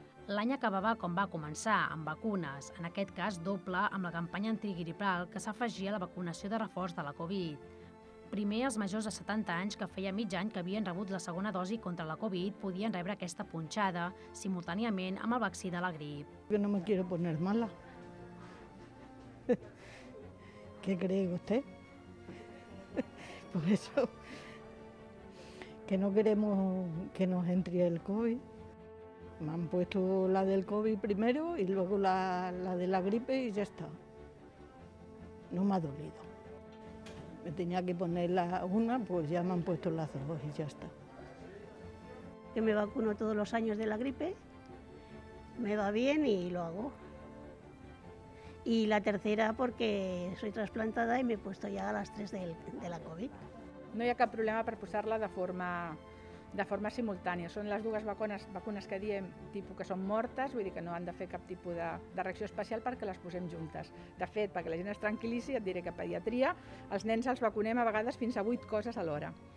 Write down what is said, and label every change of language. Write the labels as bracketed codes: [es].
[ca] L'any acabava com va començar, amb vacunes, en aquest cas doble amb la campanya antigripal que s'afegia a la vacunació de reforç de la Covid. Primer, els majors de 70 anys que feia mig any que havien rebut la segona dosi contra la Covid podien rebre aquesta punxada simultàniament amb el vaccí de la grip. [es] Yo no me quiero poner mala. ¿Qué cree usted? Por eso, que no queremos que nos entre el Covid. Me han puesto la del Covid primero y luego la de la gripe y ya está. No me ha dolido. Me tenía que poner la una, pues ya me han puesto las dos y ya está. Yo me vacuno todos los años de la gripe, me va bien y lo hago. Y la tercera porque soy trasplantada y me he puesto ya las tres de la COVID. [ca] No hi ha cap problema per posar-la de forma simultània. Són les dues vacunes que diem tipus que són mortes, vull dir que no han de fer cap tipus de reacció especial perquè les posem juntes. De fet, perquè la gent es tranquil·lici, et diré que a pediatria els nens els vacunem a vegades fins a 8 coses alhora.